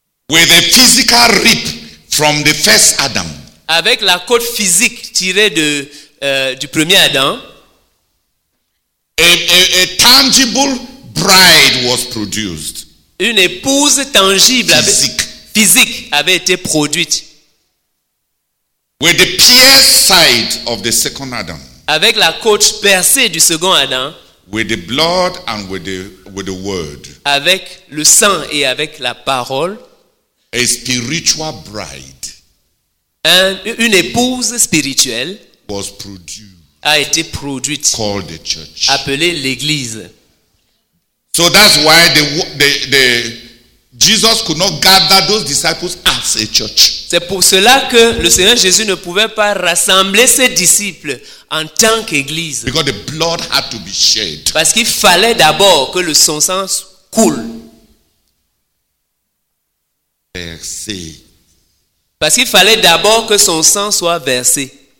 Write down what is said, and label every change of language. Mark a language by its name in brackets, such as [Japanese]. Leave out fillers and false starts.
[English] With a physical rip from the first Adam. [French] avec la côte physique tirée de du premier Adam, [English] a tangible bride was produced. [French] Une épouse tangible physique avait été produite. [English] With the pierced side of the second Adam. [French] Avec la côte percée du second Adam. [English] With the blood and with the word. [French] Avec le sang et avec la parole. [English] A spiritual bride. [French] Une épouse spirituelle. [English] Was produced. [French] A été produite. [English] Called the church. [French] Appelée l'église. [English] So that's why the Jesus could not gather those disciples as a church. [French] C'est pour cela que le Seigneur Jésus ne pouvait pas rassembler ses disciples en tant qu'église. [English] Because the blood had to be shed. [French] Parce qu'il fallait d'abord que le son sang coule. Versé. Parce qu'il fallait d'abord que son sang soit versé.